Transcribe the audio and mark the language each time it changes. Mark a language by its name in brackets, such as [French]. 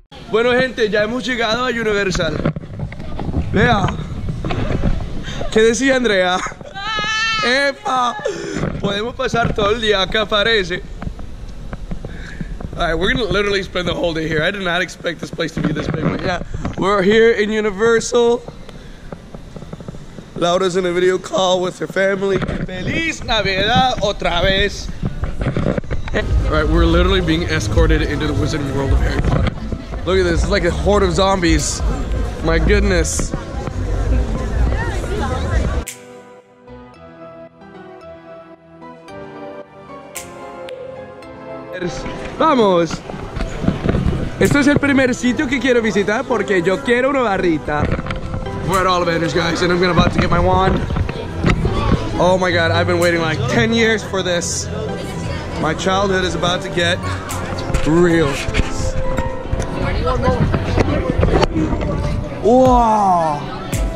[Spanish] Bueno, gente, ya hemos llegado a Universal. Vea. ¿Qué decía Andrea? ¡Epa! Podemos pasar todo el día acá, parece. [English] Alright, we're gonna literally spend the whole day here. I did not expect this place to be this big, but yeah. We're here in Universal. Laura's in a video call with her family. [Spanish] ¡Feliz Navidad otra vez! [English] Alright, we're literally being escorted into the Wizarding World of Harry Potter. Look at this, it's like a horde of zombies. My goodness. [Spanish] Vamos. Esto es el primer sitio que quiero visitar porque yo quiero una barrita. [English] We're at all Avengers, guys, and I'm gonna about to get my wand. Oh my god, I've been waiting like 10 years for this. My childhood is about to get real. Wow.